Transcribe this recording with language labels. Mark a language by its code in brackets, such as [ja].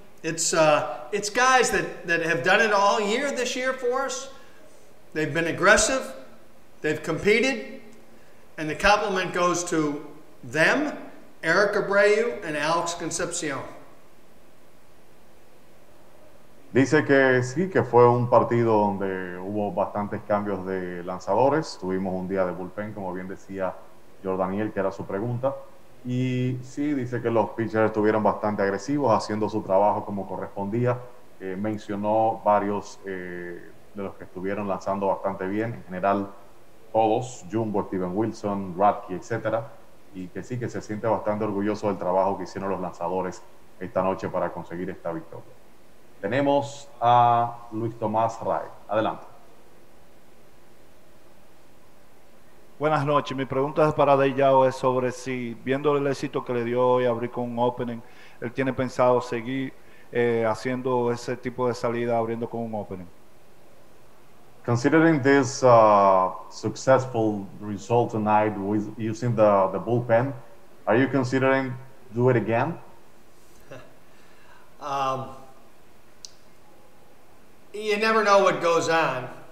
[en] It's guys that have done it all year this year for us. They've been aggressive, they've competed, and the compliment goes to them, Eric Abreu and Alex Concepcion. [es] Dice que sí, que fue un partido donde hubo bastantes cambios de lanzadores. Tuvimos un día de bullpen, como bien decía Jordaniel, que era su pregunta. Y sí, dice que los pitchers estuvieron bastante agresivos, haciendo su trabajo como correspondía. Mencionó varios de los que estuvieron lanzando bastante bien. En general, todos, Jumbo, Steven Wilson, Radke, etc. Y que sí, que se siente bastante orgulloso del trabajo que hicieron los lanzadores esta noche para conseguir esta victoria. Tenemos a Luis Tomás Rae. Adelante. Buenas noches. Mi pregunta es para Dave Yao, es sobre si, viendo el éxito que le dio hoy abrir con un opening, él tiene pensado seguir haciendo ese tipo de salida abriendo con un opening. [en] Considering this successful result tonight with using the bullpen, are you considering do it again? You never know what goes on.